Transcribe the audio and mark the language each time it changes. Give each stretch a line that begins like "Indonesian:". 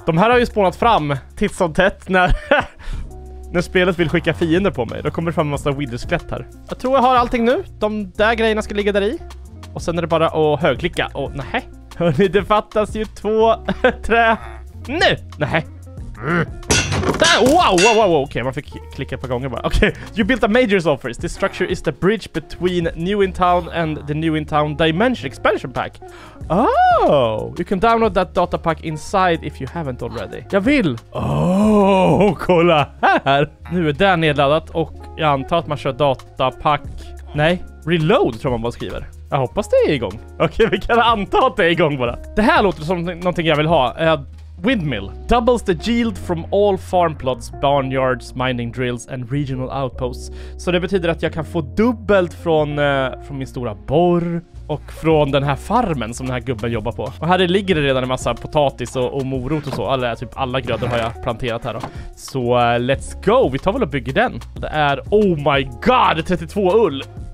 Swedish: De här har ju spånat fram titt som tätt när när spelet vill skicka fiender på mig. Då kommer det fram en massa widdersklätt här. Jag tror jag har allting nu. De där grejerna ska ligga där i. Och sen är det bara att högklicka. Och nej. Hörrni, det fattas ju två trä. Nu! Nej. Wow. Okej, man fick klicka ett par gånger bara.
English: Okej, you built a major's office. This structure is the bridge between New in Town and the New in Town Dimension Expansion Pack. Oh, you can download that data pack inside if you haven't already.
Swedish: Jag vill. Oh, kolla här. Nu är det nedladdat och jag antar att man kör datapack. Nej, reload tror man bara skriver. Jag hoppas det är igång. Okej, vi kan anta att det är igång bara. Det här låter som någonting jag vill ha.
English: Windmill. Doubles the yield from all farm plots, barnyards, mining drills and regional outposts.
Swedish: Så det betyder att jag kan få dubbelt från min stora borr och från den här farmen som den här gubben jobbar på. Och här ligger det redan en massa potatis och morot och så. Alla, typ alla grödor har jag planterat här då. Så
English: let's go.
Swedish: Vi tar väl och bygger den. Det är,
English: oh my god,
Swedish: 32 ull.